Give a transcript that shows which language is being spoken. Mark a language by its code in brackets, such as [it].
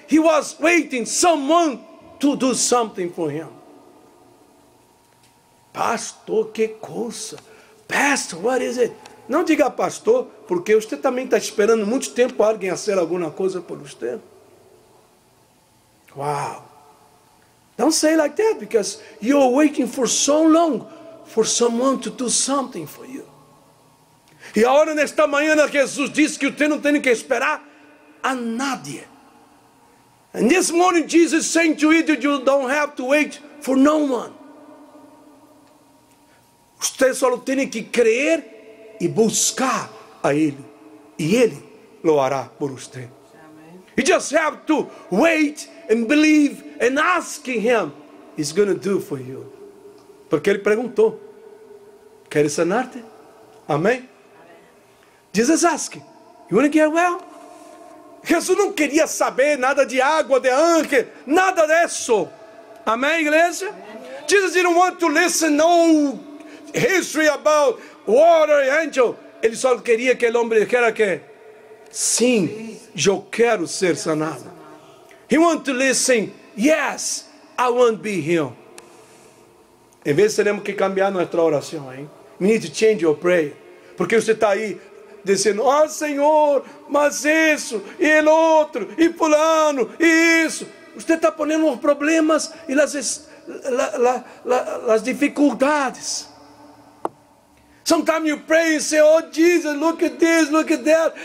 [en] He was waiting someone to do something for him. [pt] Pastor, que coisa. [en] Pastor, what is it? [pt] Não diga pastor, porque você também está esperando muito tempo alguém a ser alguma coisa por você. [en] Wow. Don't say like that, because you're waiting for so long for someone to do something for you. [pt] E a hora nesta manhã, Jesus disse que você não tem que esperar a nadie. [en] And this morning, Jesus saying to you that you don't have to wait for no one. [pt] Você só tem que crer e buscar a Ele. E Ele lo hará por você. [en] You just have to wait and believe and ask Him, He's going to do for you. [pt] Porque Ele perguntou, quer sanar-te? Amém? [en] Jesus ask, you want to get well? [pt] Jesus não queria saber nada de água, de anjo, nada disso. Amém, igreja? Amém. [en] Jesus didn't want to listen no history about water and angel. [pt] Ele só queria que o homem dijera que sim, eu quero ser sanado. [en] He want to listen, yes, I want to be healed. [pt] Em vez de teremos que cambiar nossa oração, hein? [en] We need to change your prayer. [pt] Porque você está aí dizendo, ah, Senhor, mas isso, e ele outro, e fulano, e isso. Você está ponendo os problemas e as dificuldades. [en] Sometimes you pray and say, oh, Jesus, look at this, look at that.